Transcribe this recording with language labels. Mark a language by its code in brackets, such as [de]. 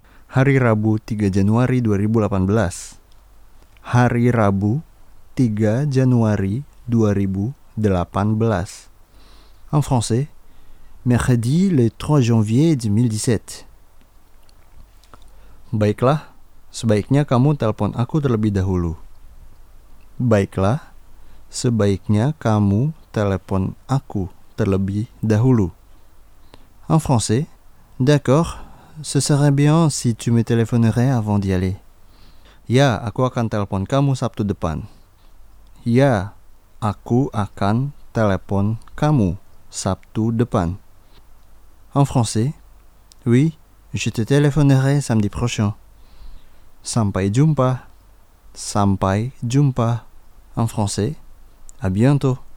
[id] Hari Rabu 3 Januari 2018. Hari Rabu 3 Januari 2018. [fr] En français, mercredi le 3 janvier 2017. [id] Baiklah, sebaiknya kamu telpon aku terlebih dahulu. Baiklah, sebaiknya kamu telepon aku terlebih dahulu. [fr] En français, d'accord, ce serait bien si tu me téléphonerais avant d'y aller. [id] Ya, aku akan telepon kamu Sabtu depan. Ya, aku akan telepon kamu Sabtu depan. [fr] En français, oui, je te téléphonerai samedi prochain. [id] Sampai jumpa. Sampai jumpa. [fr] En français, à bientôt.